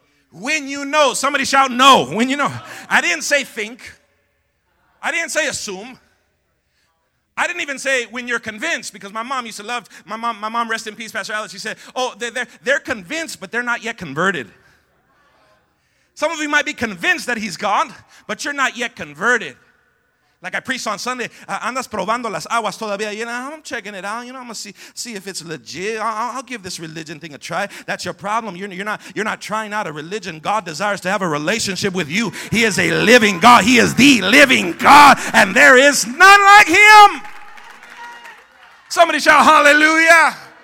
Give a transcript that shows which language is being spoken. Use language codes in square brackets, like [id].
[en] When you know, somebody shout no. When you know, I didn't say think. I didn't say assume. I didn't even say when you're convinced, because my mom used to love, my mom, rest in peace, Pastor Alice, she said, oh, they're convinced, but they're not yet converted. Some of you might be convinced that he's God, but you're not yet converted. Like I preached on Sunday, [es] andas probando las aguas todavía. [en] You know, I'm checking it out. You know, I'm going to see if it's legit. I'll give this religion thing a try. That's your problem. You're not trying out a religion. God desires to have a relationship with you. He is a living God. He is the living God. And there is none like him. Somebody shout hallelujah.